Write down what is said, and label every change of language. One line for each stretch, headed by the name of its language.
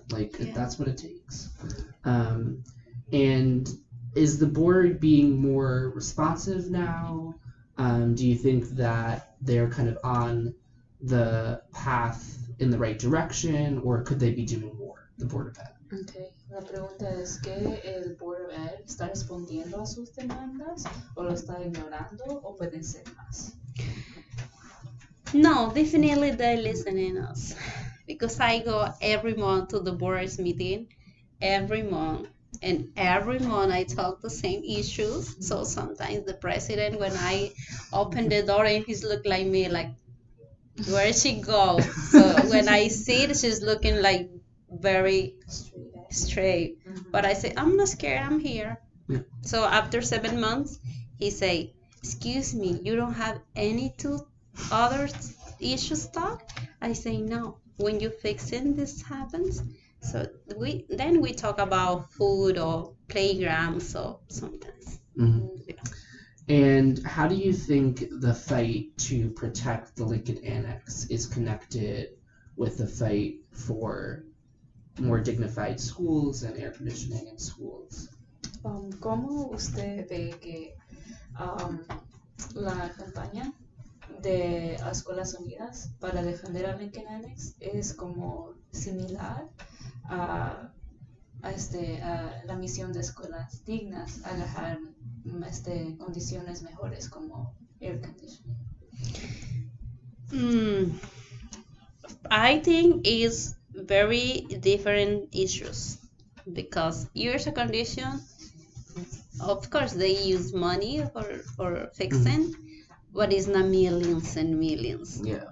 English: Like that's what it takes. And is the board being more responsive now? Do you think that they're kind of on the path in the right direction, or could they be doing more, the Board of Ed?
Spanish: Okay, la pregunta es que el Board of Ed está respondiendo a sus demandas, o lo está ignorando, o pueden ser más?
English: No, definitely they're listening to us. Because I go every month to the board's meeting, every month. And every month I talk the same issues. So sometimes the president, when I open the door and he's looking like me, like, where she go? So when I see it, she's looking like very straight. But I say, I'm not scared, I'm here. Yeah. So after 7 months, he say, excuse me, you don't have any two other issues talk? I say, no, when you fixing this happens, so we talk about food or playgrounds, so sometimes. And how do you think the fight to protect the Lincoln Annex is connected with the fight for more dignified schools and air conditioning in schools?
Spanish: ¿Cómo usted ve que la campaña de Escuelas Unidas para defender a Lincoln Annex es como similar a la misión de escuelas dignas, a dejar condiciones mejores como air conditioning?
English: I think it's very different issues because air condition, of course, they use money for fixing, but it's not millions and millions. Yeah.